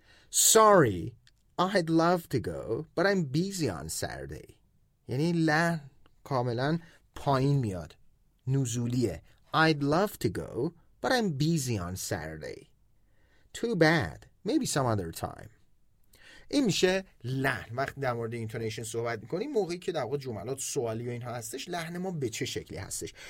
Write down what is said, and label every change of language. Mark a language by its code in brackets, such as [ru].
[en] Sorry, I'd love to go, but I'm busy on Saturday. [fa] یعنی لحن کاملا پایین میاد. نزولیه. [en] I'd love to go, but I'm busy on Saturday. Too bad. Maybe some other time. [fa] این میشه لحن. وقتی در مورد اینتونیشن صحبت میکنیم، موقعی که در واقع جملات سوالی و اینها هستش، لحن ما به چه شکلی هستش.